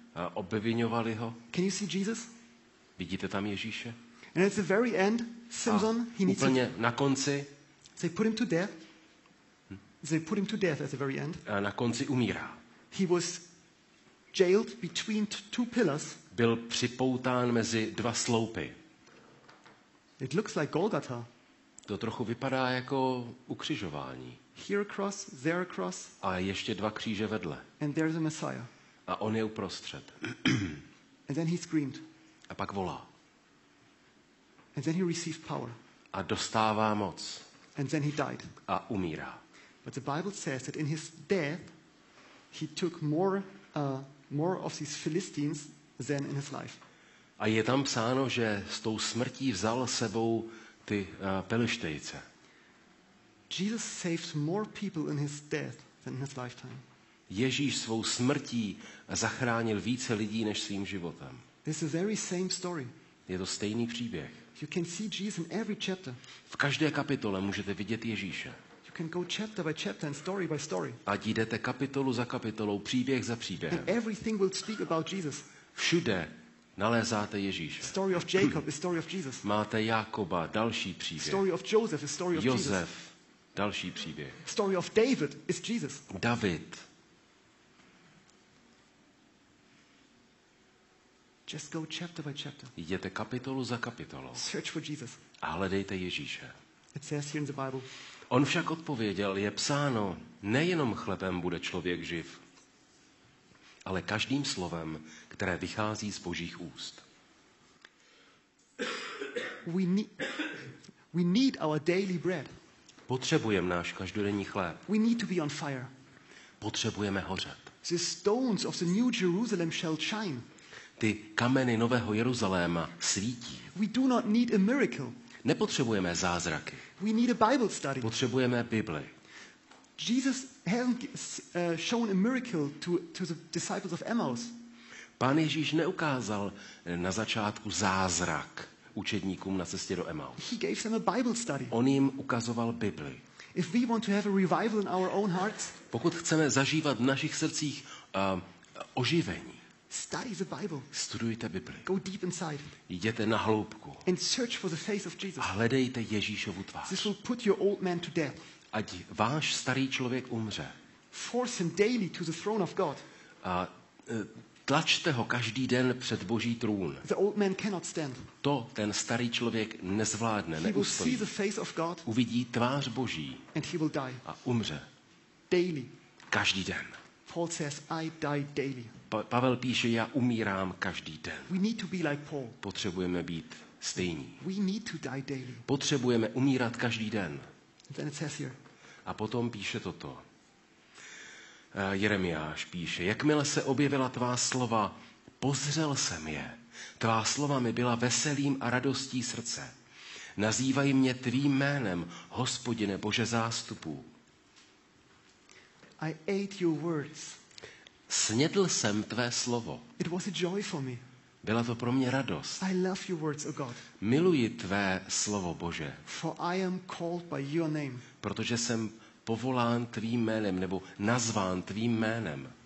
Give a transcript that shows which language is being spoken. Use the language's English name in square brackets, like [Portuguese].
[Czech] A obviňovali ho. [English] Can you see Jesus? [Czech] Vidíte tam Ježíše? [English] And at the very end, Samson, he needs. [Czech] Úplně na konci. [English] They put him to death. They put him to death at the very end. [Czech] A na konci umírá. [English] He was jailed between two pillars. [Czech] Byl připoután mezi dva sloupy. [English] It looks like Golgotha. [Czech] To trochu vypadá jako ukřižování. [English] Here a cross, there a cross. [Czech] A ještě dva kříže vedle. [English] And there's a Messiah. [Czech] A on je uprostřed. [English] And then he screamed. [Czech] A pak volá. [English] And then he received power. [Czech] A dostává moc. [English] And then he died. [Czech] A umírá. [English] But the Bible says that in his death he took more of these Philistines than in his life. [Czech] A je tam psáno, že s tou smrtí vzal sebou ty Pelištejce. [English] Jesus saved more people in his death than in his lifetime. [Czech] Ježíš svou smrtí zachránil více lidí než svým životem. [English] This is the very same story. [Czech] Je to stejný příběh. [English] You can see Jesus in every chapter. [Czech] V každé kapitole můžete vidět Ježíše. [English] You can go chapter by chapter and story by story. [Czech] A jdete kapitolu za kapitolou, příběh za příběhem. [English] And everything will speak about Jesus. [Czech] Všude nalézáte Ježíše. [English] Story of Jacob is story of Jesus. [Czech] Máte Jakoba, další příběh. [English] Story of Joseph is story of [Czech] Josef, [English] Jesus. [Czech] Další příběh. [English] Story of David is Jesus. [Czech] David. [English] Just go chapter by chapter. [Czech] Jděte kapitolu za kapitolou. [English] Search for Jesus. [Czech] A hledejte Ježíše. [English] It says here in the Bible. [Czech] On však odpověděl, je psáno, nejenom chlebem bude člověk živ, ale každým slovem, které vychází z Božích úst. [English] We need our daily bread. [Czech] Potřebujeme náš každodenní chléb. [English] We need to be on fire. [Czech] Potřebujeme hořet. [English] The stones of the new Jerusalem shall shine. [Czech] Ty kameny Nového Jeruzaléma svítí. [English] We do not need a miracle. [Czech] Nepotřebujeme zázraky. [English] We need a Bible study. [Czech] Potřebujeme Bibli. [English] Jesus hasn't shown a miracle to the disciples of Emmaus. [Czech] Pán Ježíš neukázal na začátku zázrak učedníkům na cestě do Emmaus. [English] He gave them a Bible study. [Czech] On jim ukazoval Bibli. [English] If we want to have a revival in our own hearts, [Czech] pokud chceme zažívat v našich srdcích oživení, [English] study the Bible. [Czech] Studujte Bibli. [English] Go deep inside. [Czech] Jděte na hloubku. [English] And search for the face of Jesus. [Czech] A hledejte Ježíšovu tvář. [English] This will put your old man to death. [Czech] Ať váš starý člověk umře. [English] Force him daily to the throne of God. [Czech] A tlačte ho každý den před Boží trůn. [English] The old man cannot stand. [Czech] To ten starý člověk nezvládne, [English] he [Czech] neustojí. [English] Will see the face of God. [Czech] Uvidí tvář Boží. [English] And he will die. [Czech] A umře. [English] Daily. [Czech] Každý den. [English] Paul says, I die daily. [Czech] Pavel píše, já umírám každý den. [English] We need to be like Paul. [Czech] Potřebujeme být stejní. [English] We need to die daily. [Czech] Potřebujeme umírat každý den. [English] Then it says here. [Czech] A potom píše toto. Jeremiáš píše, jakmile se objevila tvá slova, pozřel jsem je. Tvá slova mi byla veselým a radostí srdce. Nazývaj mě tvým jménem, Hospodine Bože zástupů. [English] I ate your words. [Czech] Snědl jsem tvé slovo. [English] It was a joy for me. [Czech] Byla to pro mě radost. [English] I love your words, O God. [Czech] Miluji tvé slovo, Bože. [English] For I am called by your name. [Czech] Protože jsem povolán tvým jménem nebo nazván tvým jménem.